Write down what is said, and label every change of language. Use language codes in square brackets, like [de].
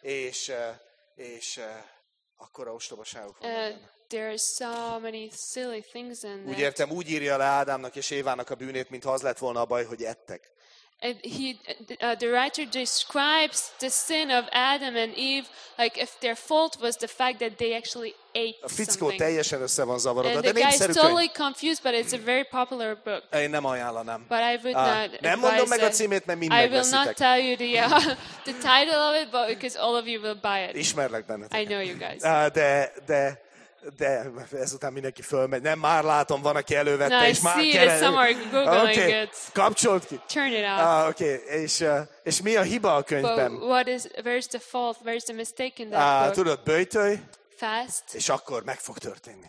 [hu] És akkora ostobaságok van. Úgy értem, úgy írja le Ádámnak és Évának a bűnét, mintha az lett volna a baj, hogy ettek. [en] And the writer describes the sin of Adam and Eve like if their fault was the fact that they actually ate [hu] a fickó [en] something. [hu] Teljesen össze van zavarodva, de népszerű könyv. [en] Totally confused, but it's a very popular book. [hu] Én nem ajánlanám. [en] But I would not [hu] nem mondom meg a címét, mert mind megveszitek. [en] I will not tell you the title of it, but because all of you will buy it. [hu] Ismerlek benneteket. [en] I know you guys. [hu] De ezután mindenki fölmegy. Nem, már látom, van, aki elővette, [en] no, [hu] és már kell. Okay. Kapcsolt ki. [en] Turn it off. [hu] Okay. És mi a hiba a könyvben? [en] Where's the fault? Where's the mistake in that book? [hu] Tudod, böjtölj. [en] Fast. [hu] És akkor meg fog történni.